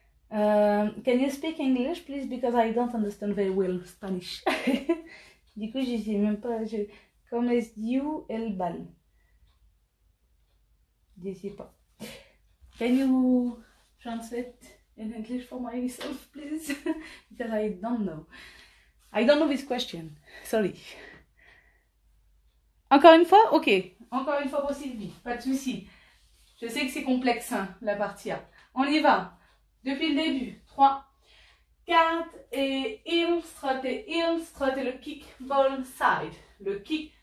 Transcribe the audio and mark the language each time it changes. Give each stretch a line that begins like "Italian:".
English: Can you speak English, please? Because I don't understand very well Spanish.
French: Du coup, je sais même pas. Comment est-ce dit où est le bal? Je ne sais pas.
English: Can you translate in English for myself, please? Because I don't know. I don't know this question. Sorry.
French: Encore une fois? Ok. Encore une fois pour Sylvie. Pas de souci. Je sais que c'est complexe, hein, la partie. On y va. Depuis le début. 3, 4 et Ilstrot et Ilstrot et le kickball side. Le kick.